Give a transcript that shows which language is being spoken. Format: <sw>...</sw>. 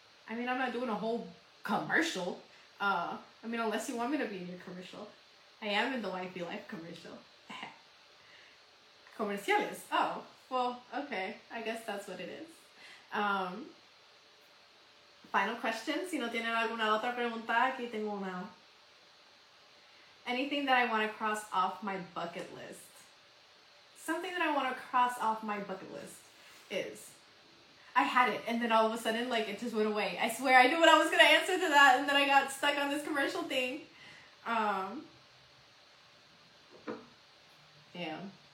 <en>I mean, I'm not doing a whole commercial, unless you want me to be in your commercial. I am in the Wifey Life commercial. Comerciales, oh, well, okay, I guess that's what it is. Final question,</en> <es>si no tienen alguna otra pregunta, aquí tengo una.</es> <en>Anything that I want to cross off my bucket list. Something that I want to cross off my bucket list is, I had it, and then all of a sudden, like, it just went away. I swear, I knew what I was going to answer to that, and then I got stuck on this commercial thing. Damn.</en>